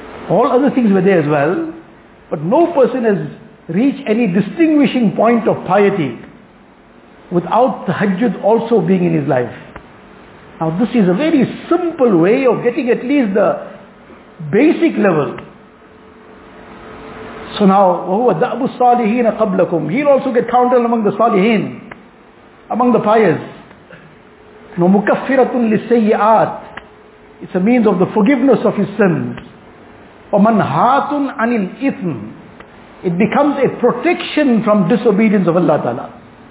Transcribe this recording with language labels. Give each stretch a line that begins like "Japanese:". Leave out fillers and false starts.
English: All other things were there as well, but no person has reached any distinguishing point of piety without tahajjud also being in his life. Now this is a very simple way of getting at least the basic level. So now,
Arabic: وَهُوَ دَأْبُ الصَّالِحِينَ قَبْلَكُمْ.
English: He'll also get counted among the salihin, among the pious.
Arabic: وَمُكَفِّرَةٌ لِلسَّيِّئَاتِ.
English: It's a means of the forgiveness of his sins.
Arabic: وَمَنْهَاتٌ عَنِ الْإِثْمِ.
English: It becomes a protection from disobedience of Allah Ta'ala.